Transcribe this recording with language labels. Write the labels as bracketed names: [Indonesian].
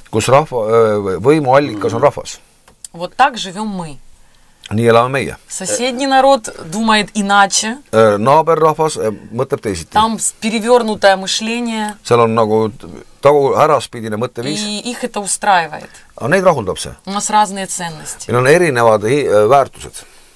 [Estonian] Kus rahva, võimu allikas on rahvas. [Russian] Вот так живем мы. [Estonian] Nii elame meie. [Russian] Соседний народ думает иначе. [Estonian] Naaber rahvas mõtleb teisiti. [Russian] Там перевернутое мышление. [Estonian] Seal on nagu tagu äraspidine mõtteviis. [Russian] И их это устраивает. [Estonian] А neid rahuldab see. [Russian] У нас разные ценности. [Estonian] Meil on erinevad väärtused.